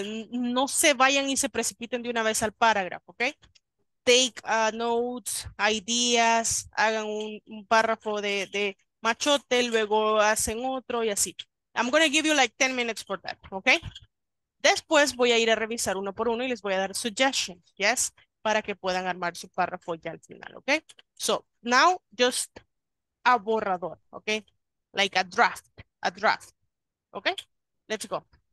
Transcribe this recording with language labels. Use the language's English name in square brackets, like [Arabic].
[Spanish] No se vayan y se precipiten de una vez al párrafo, okay? [English] Take notes, ideas, [Spanish] hagan un párrafo de machote, luego hacen otro y así. [English] I'm gonna give you like 10 minutes for that, okay? [Spanish] Después voy a ir a revisar uno por uno y les voy a dar suggestions, yes, para que puedan armar su párrafo ya al final, okay? [English] So, now just a borrador, okay? Like a draft, okay? Let's go.